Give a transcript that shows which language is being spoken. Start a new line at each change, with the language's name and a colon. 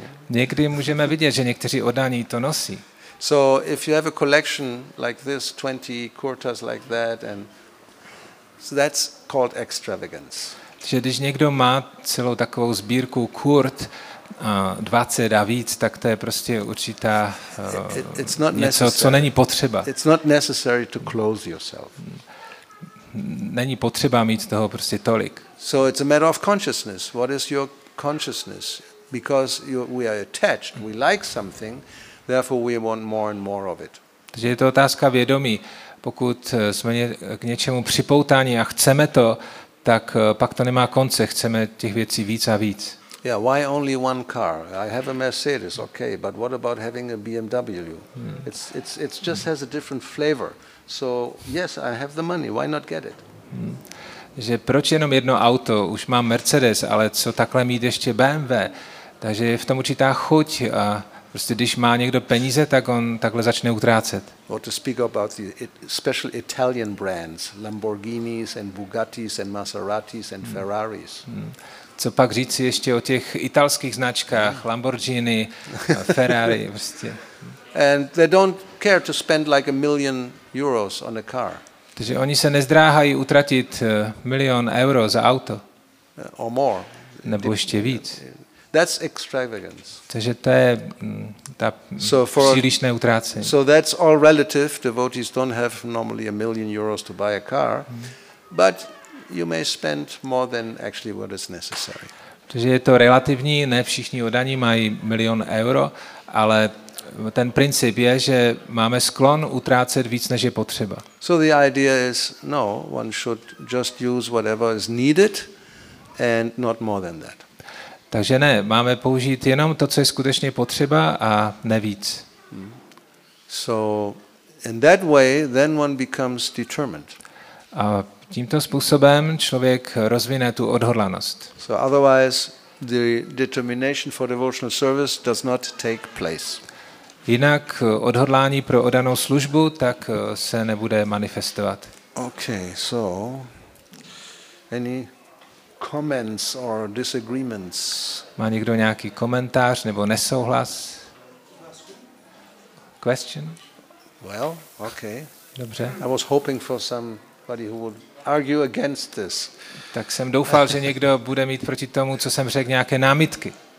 Czech: Někdy můžeme vidět, že někteří oddaní to nosí.
English: So if you have a collection like this, 20 kurtas like that, and so that's called extravagance.
Czech: Že když někdo má celou takovou sbírku kurt, 20 a víc, tak to je prostě určitá něco, co není potřeba.
English: It's not necessary to close yourself.
Czech: Není potřeba mít toho prostě tolik.
English: So it's a matter of consciousness. What is your consciousness? Because we are attached, we like something, therefore we want more and more of it.
Czech: Takže je to otázka vědomí. Pokud jsme k něčemu připoutáni a chceme to, tak pak to nemá konce. Chceme těch věcí víc a víc.
English: Yeah, why only one car? I have a Mercedes, okay, but what about having a BMW? It's just has a different flavor. So, yes, I have the money. Why not get it?
Czech: Že proč jenom jedno auto? Už mám Mercedes, ale co takhle mít ještě BMW? Takže je v tom určitá chuť a prostě když má někdo peníze, tak on takhle začne utrácet.
English: Or to speak about the special Italian brands, Lamborghinis and Bugattis and Maseratis and Ferraris.
Czech: Co pak říci ještě o těch italských značkách, Lamborghini, Ferrari, prostě.
English: And they don't care to spend like a million euros on a car.
Czech: Takže oni se nezdráhají utratit milion euro za auto.
English: Or more.
Czech: Nebo ještě víc.
English: That's extravagance.
Czech: Takže to je ta přílišné utrácení.
English: So that's all relative. Devotees don't have normally a million euros to buy a car. But you may spend more than actually what is necessary.
Czech: Takže je to relativní, ne všichni oddaní mají milion euro, ale ten princip je, že máme sklon utrácet víc, než je potřeba.
English: So the idea is, no, one should just use whatever is needed and not more than that.
Czech: Takže ne, máme použít jenom to, co je skutečně potřeba a ne víc.
English: So in that way, then one becomes determined.
Czech: A tímto způsobem člověk rozvine tu odhodlanost.
English: So otherwise the determination for devotional service does not take place.
Czech: Jinak odhodlání pro oddanou službu tak se nebude manifestovat.
English: Okay, so any comments or disagreements?
Czech: Má někdo nějaký komentář nebo nesouhlas?
English: Question? Well, okay.
Czech: Dobře.
English: I was hoping for somebody who would argue against this.
Czech: Tak jsem doufal, že někdo bude mít proti tomu, co jsem řekl, nějaké námitky.